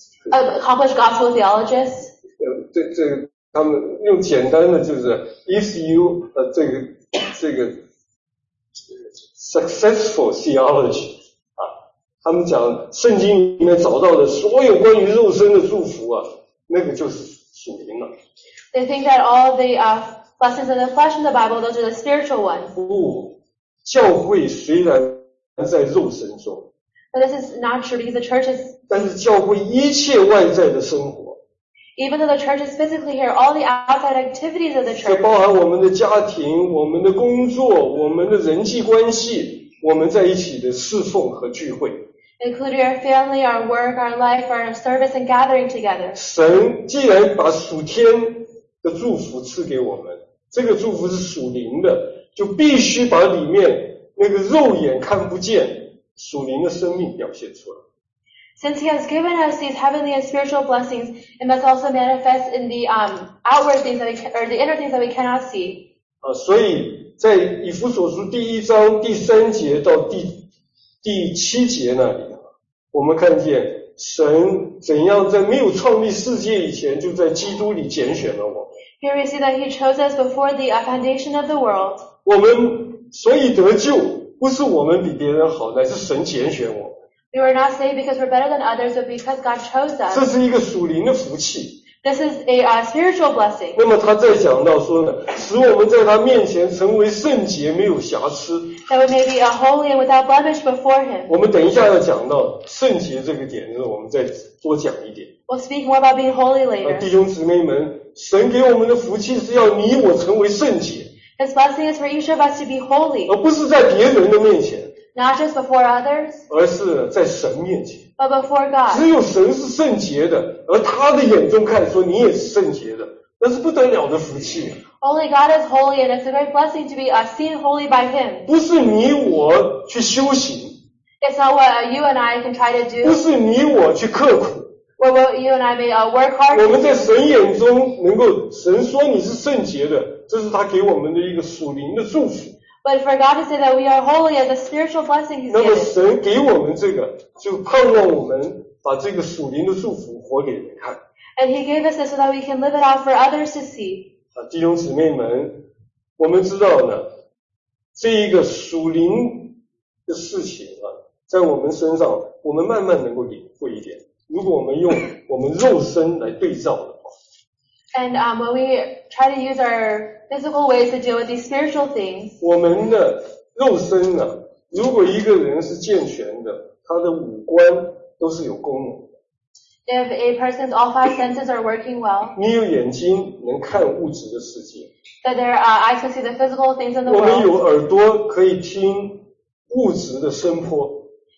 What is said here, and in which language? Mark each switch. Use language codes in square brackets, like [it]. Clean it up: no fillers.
[en] accomplished gospel theologists. [zh] 这他们用简单的就是 [en] if you [zh] 这个 [en] successful theology [zh] 啊，他们讲圣经里面找到的所有关于肉身的祝福啊。那个就是属灵了。 [en] They think that all the blessings of the flesh in the Bible, those are the spiritual ones. [zh] 不，教会虽然在肉身中。 [en] But this is not true because the church is. [zh] 但是教会一切外在的生活。 [en] Even though the church is physically here, all the outside activities of the church. [zh] 包含我们的家庭、我们的工作、我们的人际关系、我们在一起的侍奉和聚会。 [en] Include your family, our work, our life, our service and gathering together. [zh] 神既然把属天的祝福赐给我们，这个祝福是属灵的，就必须把里面那个肉眼看不见属灵的生命表现出来。 [en] Since he has given us these heavenly and spiritual blessings, it must also manifest in the outward things that we can, or the inner things that we cannot see. [zh] 所以在以弗所书第一章第三节到第七节那里，我们看见神怎样在没有创立世界以前就在基督里拣选了我。 [en] Here we see that he chose us before the foundation of the world. [zh] 我们所以得救不是我们比别人好，乃是神拣选我们。 [en] We were not saved because we're better than others, but because God chose us. [zh] 这是一个属灵的福气。 [en] This is a spiritual blessing. [zh] 那么他再讲到说呢，使我们在他面前成为圣洁，没有瑕疵。 [en] That we may be a holy and without blemish before him. [zh] 我们等一下要讲到圣洁这个点，就是我们再多讲一点。 [en] We'll speak more about being holy later. [zh] 弟兄姊妹们，神给我们的福气是要你我成为圣洁。 [en] His blessing is for each of us to be holy. [zh] 而不是在别人的面前。 [en] Not just before others. [zh] 而是在神面前。 [en] But before God. [zh] 只有神是圣洁的，而他的眼中看说你也是圣洁的，那是不得了的福气。 [en] Only God is holy and it's a great blessing to be seen holy by him. [zh] 不是你我去修行。 [en] It's not what you and I can try to do. [zh] 不是你我去刻苦。 [en] Well, well, you and I may work hard. [zh] 我们在神眼中能够，神说你是圣洁的，这是他给我们的一个属灵的祝福。 [en] But for God to say that we are holy as a spiritual blessing he's given. [zh] 那么神给我们这个，就盼望我们把这个属灵的祝福活给人看。 [en] And he gave us this so that we can live it out for others to see. [zh] 弟兄姊妹们，我们知道呢，这一个属灵的事情啊，在我们身上，我们慢慢能够领会一点。如果我们用我们肉身来对照的话。 [en] And when we try to use our physical ways to deal with these spiritual things. [zh] 我们的肉身呢，如果一个人是健全的，他的五官都是有功能的。 [en] If a person's all five senses are working well. [zh] 你有眼睛能看物质的世界。 [en] That there are eyes to see the physical things in the [zh] world. 我们有耳朵可以听物质的声波。